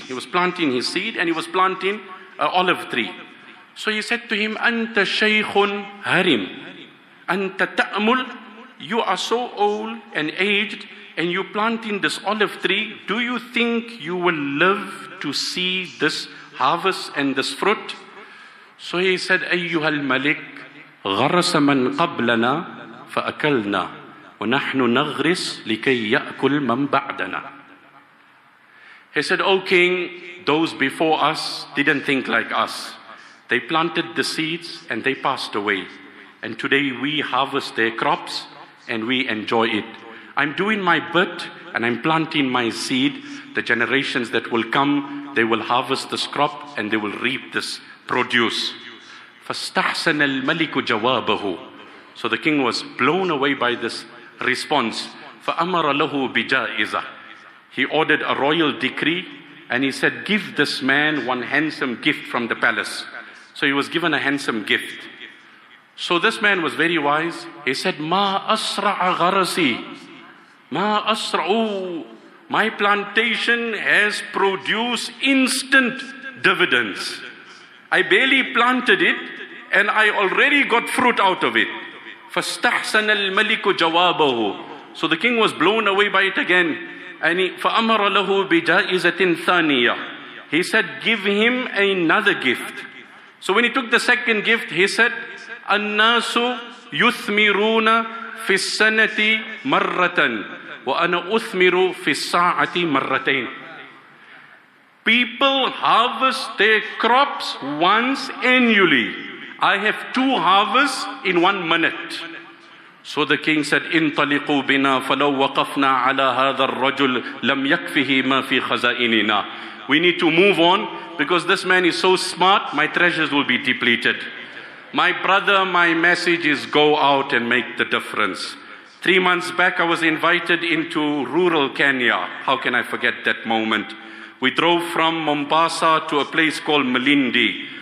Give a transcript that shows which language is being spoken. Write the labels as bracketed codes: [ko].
[en] He was planting his seed and he was planting an olive tree. So he said to him, [ar] أَنْتَ شَيْخٌ هَرِمْ أَنْتَ تَأْمُلْ. [en] You are so old and aged, and you plant in this olive tree. Do you think you will live to see this harvest and this fruit? So he said, [ar] أيها الملك غرس من قبلنا فأكلنا ونحن نغرس لكي يأكل من بعدنا. [en] He said, O king, those before us didn't think like us. They planted the seeds and they passed away. And today we harvest their crops and we enjoy it. I'm doing my bit and I'm planting my seed. The generations that will come, they will harvest this crop and they will reap this produce. [ar] فَاسْتَحْسَنَ الْمَلِكُ جَوَابَهُ. [en] So the king was blown away by this response. [ar] فَأَمَرَ لَهُ بِجَائِزَةٍ. [en] He ordered a royal decree and he said, give this man one handsome gift from the palace. So he was given a handsome gift. So this man was very wise. He said, [ar] مَا أَسْرَعَ غَرَسِي. [en] Ma asra, oh, my plantation has produced instant dividends. I barely planted it and I already got fruit out of it. [ar] فَاسْتَحْسَنَ الْمَلِكُ جَوَابَهُ. [en] So the king was blown away by it again. And he, [ar] فَأَمَرَ لَهُ بِجَائِزَةٍ ثَانِيَةٍ. [en] He said, give him another gift. So when he took the second gift, he said, [ar] النَّاسُ يُثْمِرُونَ فِي السَّنَةِ مَرَّةً. وَأَنَا أُثْمِرُ فِي السَّاعَةِ مَرَّتَيْنِ. [en] People harvest their crops once annually. I have two harvests in 1 minute. So the king said, [ar] انطلقوا بنا فلو وقفنا على هذا الرجل لم يكفه ما في خزائننا. [en] We need to move on because this man is so smart, my treasures will be depleted. My brother, my message is go out and make the difference. 3 months back, I was invited into rural Kenya. How can I forget that moment? We drove from Mombasa to a place called Malindi.